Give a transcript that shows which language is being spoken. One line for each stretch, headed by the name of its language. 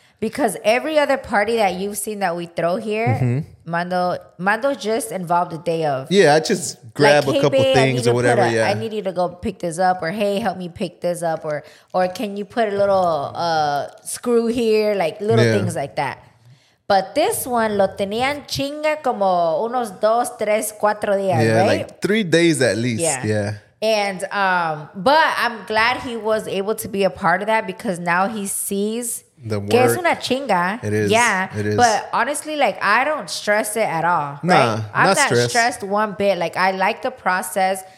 English: Because every other party that you've seen that we throw here, mm-hmm. Mando just involved the day of. Yeah, I just grab like, a hey, couple babe, things or whatever. Yeah, I need you to go pick this up, or hey, help me pick this up, or can you put a little screw here, like little yeah. things like that. But this one,
Spanish: lo tenían chinga como unos dos, tres, cuatro días,
English: yeah, right? Yeah, like 3 days at least. Yeah. Yeah. And, but I'm glad he was able to be a part of that because now he sees the work.
Spanish: Que es una chinga.
English: It is. Yeah. It is. But honestly, like, I don't stress it at all. Nah, right? I'm not stressed one bit. Like, I like the process.